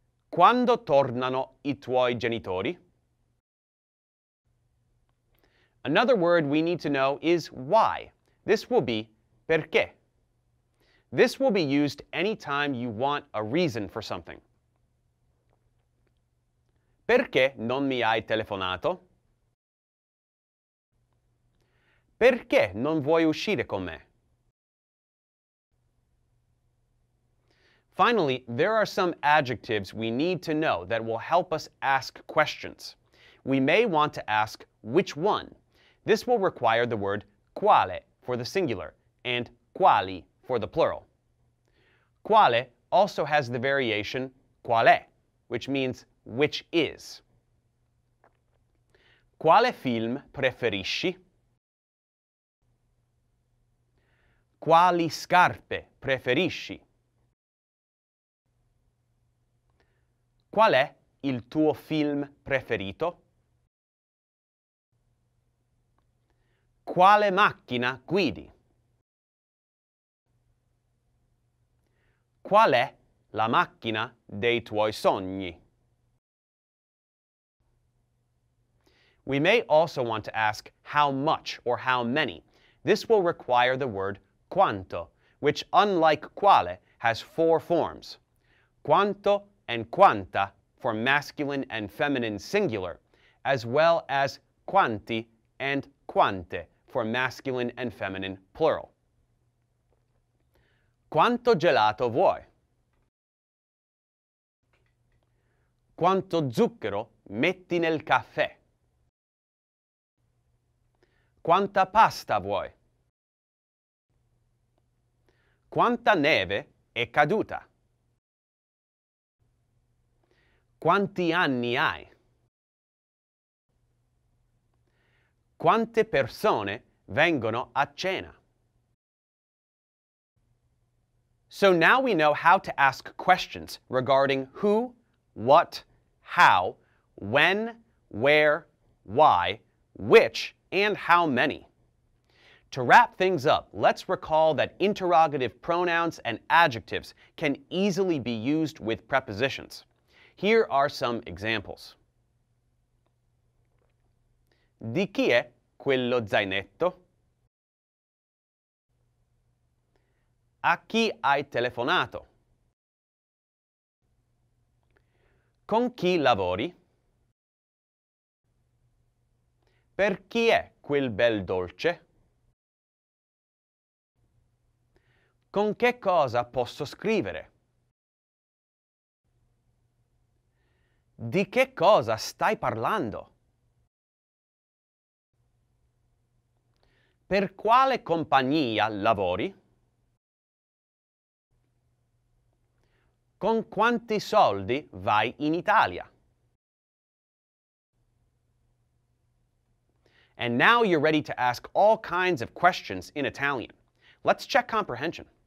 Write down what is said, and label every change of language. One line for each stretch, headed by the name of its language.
Italian: Quando tornano i tuoi genitori?
English: Another word we need to know is why. This will be perché. This will be used anytime you want a reason for something.
Italian: Perché non mi hai telefonato? Perché non vuoi uscire con me?
English: Finally, there are some adjectives we need to know that will help us ask questions. We may want to ask which one. This will require the word quale for the singular and quali for the plural. Quale also has the variation quale, which means which is.
Italian: Quale film preferisci? Quali scarpe preferisci? Qual è il tuo film preferito? Quale macchina guidi? Qual è la macchina dei tuoi sogni?
English: We may also want to ask how much or how many. This will require the word quanto, which, unlike quale, has four forms. Quanto and quanta for masculine and feminine singular, as well as quanti and quante for masculine and feminine plural.
Italian: Quanto gelato vuoi? Quanto zucchero metti nel caffè? Quanta pasta vuoi? Quanta neve è caduta? Quanti anni hai? Quante persone vengono a cena?
English: So now we know how to ask questions regarding who, what, how, when, where, why, which, and how many. To wrap things up, let's recall that interrogative pronouns and adjectives can easily be used with prepositions. Here are some examples.
Italian: Di chi è quello zainetto? A chi hai telefonato? Con chi lavori? Per chi è quel bel dolce? Con che cosa posso scrivere? Di che cosa stai parlando? Per quale compagnia lavori? Con quanti soldi vai in Italia?
English: And now you're ready to ask all kinds of questions in Italian. Let's check comprehension.